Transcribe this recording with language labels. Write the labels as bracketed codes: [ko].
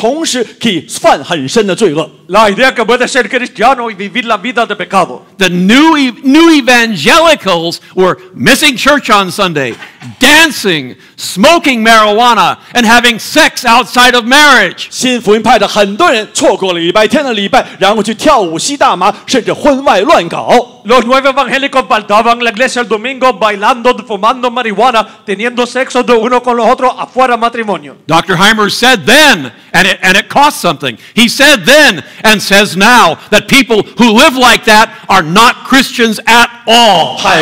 [zh] 这个反律法主义就是你可以做基督，同时可以犯很深的罪恶。 [es] La idea que puede ser cristiano y vivir la vida de pecado. [en] The new evangelicals were missing church on Sunday, dancing, smoking marijuana, and having sex outside of marriage. [zh] 新福音派的很多人错过了礼拜天的礼拜，然后去跳舞吸大麻，甚至婚外乱搞。 [es] Los nuevos evangélicos faltaban la iglesia el domingo bailando, fumando marihuana, teniendo sexo de uno con los otros afuera matrimonio. [en] Dr. Hymers said then, and it cost something. He said then, and says now, that people who live like that are not Christians at all.